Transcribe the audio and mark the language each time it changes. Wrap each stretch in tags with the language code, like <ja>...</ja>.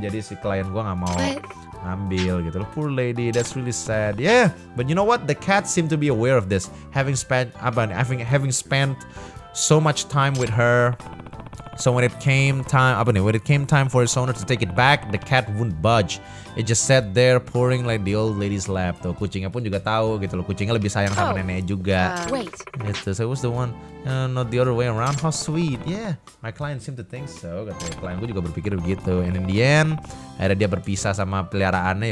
<id>Jadi si klien gue gak mau ambil gitu loh.</id> <en>Poor lady, that's really sad. Yeah, but you know what? The cat seem to be aware of this. Having spent so much time with her. So when it came time for its owner to take it back, the cat wouldn't budge. It just sat there purring like the old lady's lap.</en> <id>Tuh kucingnya pun juga tahu gitu loh, kucingnya lebih sayang sama nenek juga.</id> <en>Wait. Yes, so it was the one, not the other way around. How sweet. Yeah, my client seemed to think so.</en> <id>Katanya klien gue juga berpikir begitu.</id> <en>And in the end,</en> <id>akhirnya dia berpisah sama peliharaannya.</id>